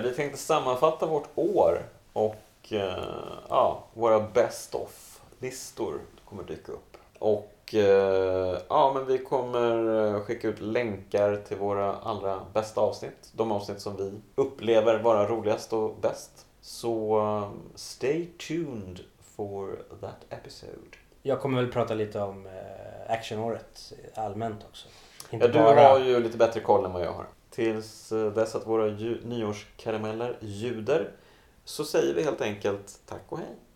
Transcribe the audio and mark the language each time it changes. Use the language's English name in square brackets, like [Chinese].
[Swedish] Vi tänkte sammanfatta vårt år och ja, våra best-of-listor kommer dyka upp. Och ja, men vi kommer skicka ut länkar till våra allra bästa avsnitt. De avsnitt som vi upplever vara roligast och bäst. [English] Så stay tuned for that episode. [Swedish] Jag kommer väl prata lite om actionåret allmänt också. Inte ja, du bara... har ju lite bättre koll än vad jag har. Tills dess att våra nyårskarameller ljuder så säger vi helt enkelt tack och hej.